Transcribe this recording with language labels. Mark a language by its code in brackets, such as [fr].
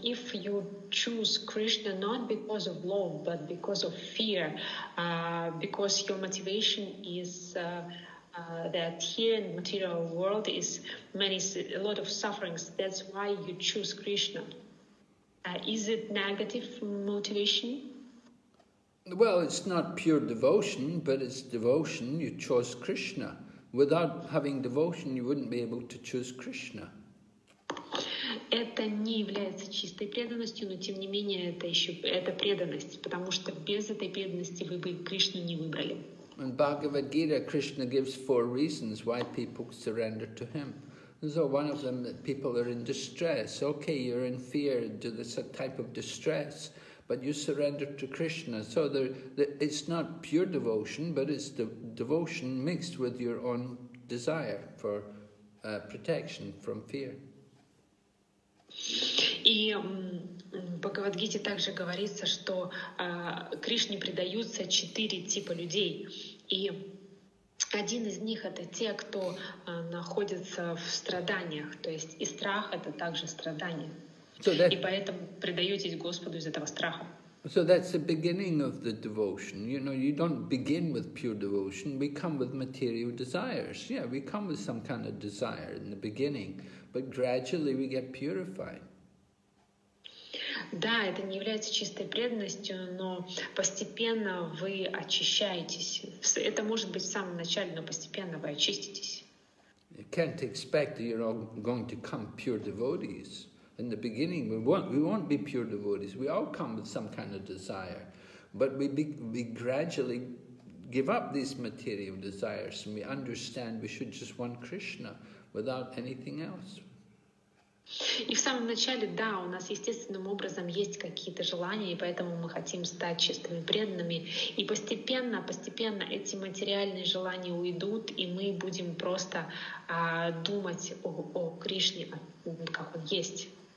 [en] If you choose Krishna not because of love, but because of fear, because your motivation is that here in the material world is many, a lot of sufferings, that's why you choose Krishna. Is it negative motivation? Well, it's not pure devotion, but it's devotion. You chose Krishna. Without having devotion, you wouldn't be able to choose Krishna. [ru] Это не является чистой преданностью, но тем не менее это еще это преданность, потому что без этой преданности вы бы Кришну не выбрали. [en] In Bhagavad Gita, Krishna gives four reasons why people surrender to him. So one of them, that people are in distress. Okay, you're in fear, do this type of distress, but you surrender to Krishna. So it's not pure devotion, but it's the devotion mixed with your own desire for protection from fear. [ru] И в Бхагавадгите также говорится, что Кришне предаются четыре типа людей. И один из них — это те, кто находится в страданиях. То есть и страх — это также страдание. [en] So that, [ru] и поэтому предаетесь Господу из этого страха. [en] So that's the beginning of the devotion. You know, you don't begin with pure devotion. We come with material desires. Yeah, we come with some kind of desire in the beginning, but gradually we get purified. [ru] Да, это не является чистой преданностью, но постепенно вы очищаетесь. Это может быть в самом начале, но постепенно вы очиститесь. [en] You can't expect that you're all going to come pure devotees. In the beginning, we won't be pure devotees. We all come with some kind of desire, but we gradually give up these material desires, and we understand we should just want Krishna without anything else. [ru] И в самом начале, да, у нас естественным образом есть какие-то желания, и поэтому мы хотим стать чистыми преданными. И постепенно, постепенно эти материальные желания уйдут, и мы будем просто думать о Кришне, как он есть.